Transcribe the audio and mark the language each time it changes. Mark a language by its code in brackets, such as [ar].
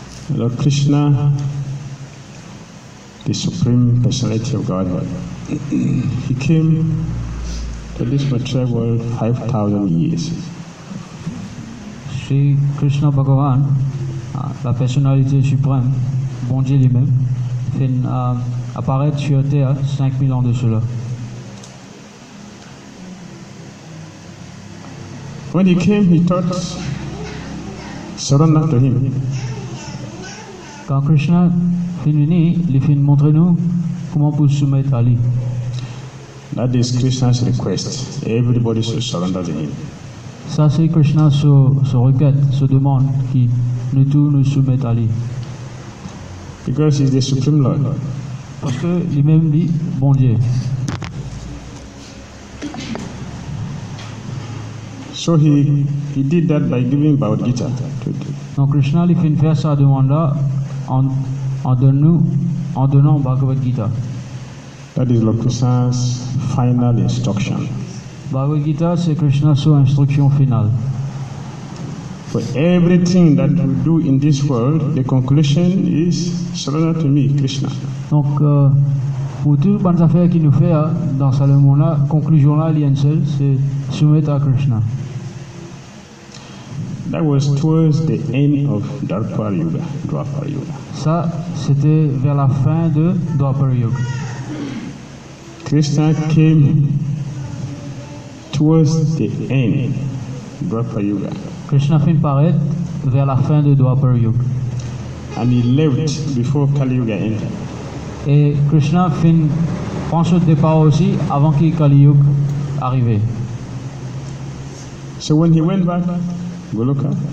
[en] Lord Krishna, the Supreme Personality of Godhead, He came to this material world 5,000 years. [fr] Sri Krishna Bhagavan, la Personnalité Suprême, bon Dieu lui-même, fait apparaître sur Terre 5,000 ans de cela. [en] When He came, He taught surrender to Him. [fr] Quand Krishna fait venir, il fait montrer nous comment pour soumettre à lui. [en] That is Krishna's request. Everybody should surrender to him. [fr] Ça c'est Krishna se requête, se demande qui nous tous nous soumettre à lui. [en] Because he is the supreme Lord. [fr] Parce que lui-même dit bon Dieu. [en] So he did that by giving Bhagavad Gita. [fr] Donc Krishna lui fait faire ça demande là. En donnant Bhagavad Gita. [en] That is Lord Krishna's final instruction. [fr] Bhagavad Gita, c'est Krishna's instruction finale. [en] For everything that we do in this world, the conclusion is surrender to me, Krishna. [fr] Donc, pour toutes bonnes affaires qu'il nous fait dans ce monde-là, conclusion là, lien seul, c'est soumettre à Krishna. [en] That was towards the end of Dwapara Yuga. Dwapara Yuga. [fr] Ça, c'était vers la fin de Dwapara Yuga. [en] Krishna came towards the end of Dwapara Yuga. [fr] Krishna fin paraît vers la fin de Dwapara Yuga. [en] And he left before Kali Yuga entered. [fr] Et Krishna fin prend son départ aussi avant que Kali Yuga arrive. [en] So when he went back. Goloka.